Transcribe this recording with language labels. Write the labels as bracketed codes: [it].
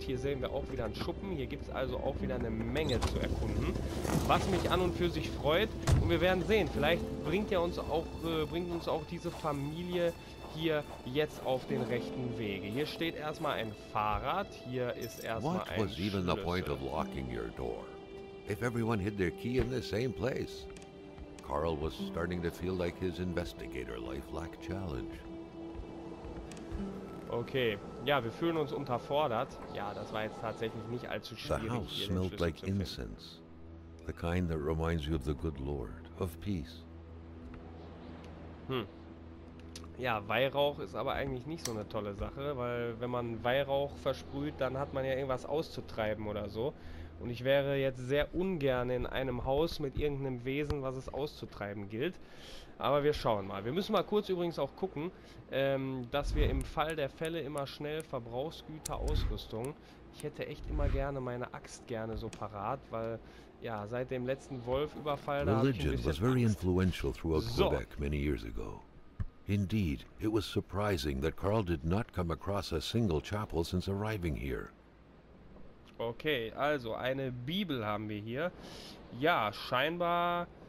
[de] Hier sehen wir auch wieder einen Schuppen. Hier gibt es also auch wieder eine Menge zu erkunden. Was mich an und für sich freut. Und wir werden sehen, vielleicht bringt uns auch diese Familie hier jetzt auf den rechten Wege. Hier steht erstmal ein Fahrrad. Hier ist erstmal ein Schlüssel. [en] What was even the point of locking your door? If everyone hid their key in the same place. Carl was starting to feel like his investigator life lacked challenge. [de] Okay, ja, wir fühlen uns unterfordert. Ja, das war jetzt tatsächlich nicht allzu schwierig, hier den Schlüssel zu finden. [en] The house smelled like incense. The kind that reminds you of the good Lord, of peace. [de] Ja, Weihrauch ist aber eigentlich nicht so eine tolle Sache, weil wenn man Weihrauch versprüht, dann hat man ja irgendwas auszutreiben oder so. Und ich wäre jetzt sehr ungern in einem Haus mit irgendeinem Wesen, was es auszutreiben gilt. Aber wir schauen mal. Wir müssen mal kurz übrigens auch gucken, dass wir im Fall der Fälle immer schnell Verbrauchsgüter, Ausrüstung. Ich hätte echt immer gerne meine Axt gerne so parat, weil, ja, seit dem letzten Wolf-Überfall da [en] Religion was very influential throughout Quebec many years ago. Indeed, it was surprising that Carl did not come across a single chapel since arriving here. [de] Okay, also eine Bibel haben wir hier. Ja, scheinbar.